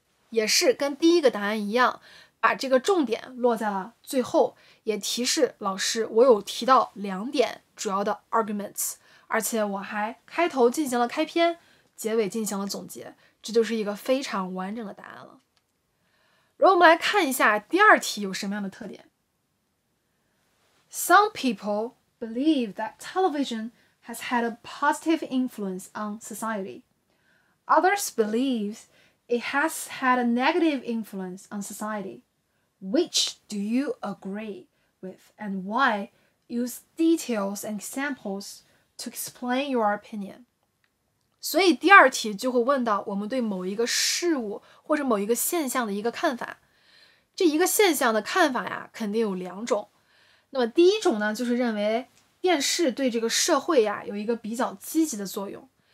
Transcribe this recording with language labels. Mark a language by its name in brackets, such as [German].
[Chinese] 也是跟第一个答案一样，把这个重点落在了最后，也提示老师我有提到两点主要的 arguments， 而且我还开头进行了开篇，结尾进行了总结，这就是一个非常完整的答案了。然后我们来看一下第二题有什么样的特点。 [English] Some people believe that television has had a positive influence on society. Others believe it has had a negative influence on society. Which do you agree with and why? Use details and examples to explain your opinion. [Chinese] 所以第二题就会问到我们对某一个事物或者某一个现象的一个看法。这一个现象的看法呀，肯定有两种。那么第一种呢，就是认为电视对这个社会呀有一个比较积极的作用。